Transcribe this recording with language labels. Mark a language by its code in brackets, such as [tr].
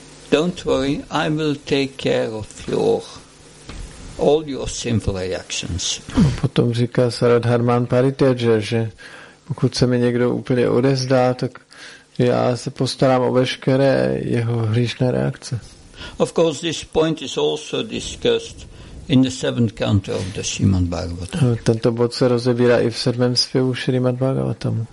[en] Don't worry, I will take care of all your sinful reactions. [cs] Potom říká Saradharman Paritya, že pokud se mi někdo úplně odezdá, tak já se postarám o veškeré jeho hříšné reakce. [en] Of course, this point is also discussed in the seventh canto of the Srimad Bhagavatam. [cs] Tento bod se rozebírá i v sedmém zpěvu Srimad Bhagavatam.